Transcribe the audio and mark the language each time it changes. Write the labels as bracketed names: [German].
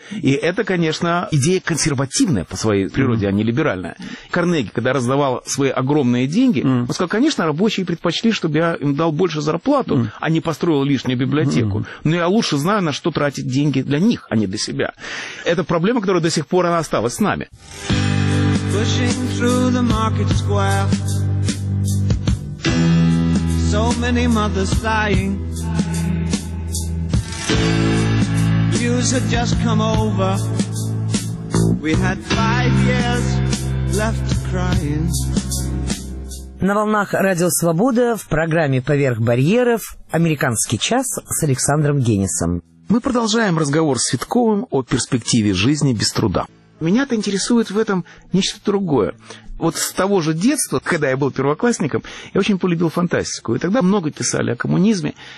[Russian] И это, конечно, идея консервативная по своей природе, а не либеральная. Карнеги, когда раздавал свои огромные деньги, он сказал, конечно, рабочие предпочли, чтобы я им дал больше зарплату, а не построил лишнюю библиотеку. Но я лучше знаю, на что тратить деньги для них, а не для себя. Это проблема, которая до сих пор она осталась с нами. [English] Pushing through the market square, so many mothers dying. News had just come over, we had 5 years left crying. [Russian] На волнах Радио Свобода в программе «Поверх барьеров» «Американский час» с Александром Генисом. Мы продолжаем разговор с Витковым о перспективе жизни без труда. Меня-то интересует в этом нечто другое. Вот с того же детства, когда я был первоклассником, я очень полюбил фантастику. И тогда много писали о коммунизме.